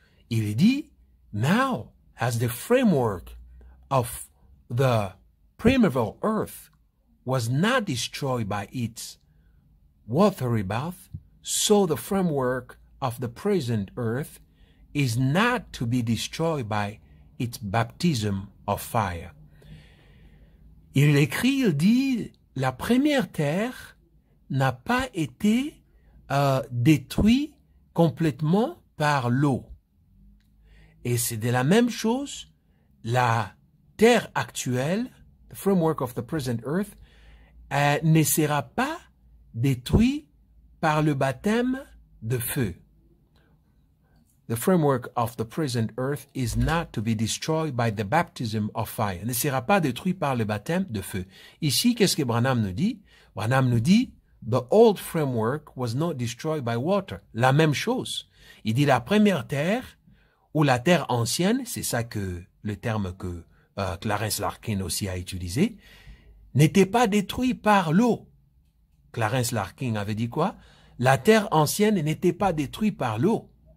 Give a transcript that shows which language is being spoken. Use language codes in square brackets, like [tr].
[fr] Il dit, [en] now has the framework of the primeval earth was not destroyed by its watery bath, so the framework of the present earth is not to be destroyed by its baptism of fire. [fr] Il écrit, il dit, la première terre n'a pas été détruite complètement par l'eau. Et c'est de la même chose, la terre actuelle, [en] the framework of the present earth, [fr] ne sera pas détruite par le baptême de feu. [en] The framework of the present earth is not to be destroyed by the baptism of fire. [fr] Ne sera pas détruit par le baptême de feu. Ici, qu'est-ce que Branham nous dit? Branham nous dit, [en] the old framework was not destroyed by water. [fr] La même chose. Il dit, la première terre, ou la terre ancienne, c'est ça que le terme que Clarence Larkin aussi a utilisé, n'était pas détruit par l'eau. Clarence Larkin avait dit quoi? La terre ancienne n'était pas détruite par l'eau.